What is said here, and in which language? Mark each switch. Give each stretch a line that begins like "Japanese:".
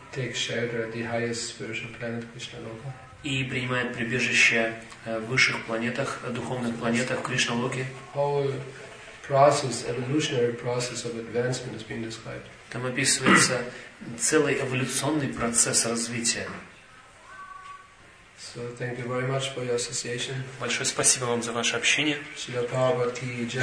English: Take shelter at the highest spiritual planet, Krishna Loka.
Russian: и принимает прибежище в высших планетах, духовных планетах, Кришналоке.
English: Process, evolutionary process of advancement is being described.
Russian: Там описывается целый эволюционный процесс развития.
English: So thank you very much for your association.
Russian: Большое спасибо вам за ваше общение. Шрила Прабхупада ки джай.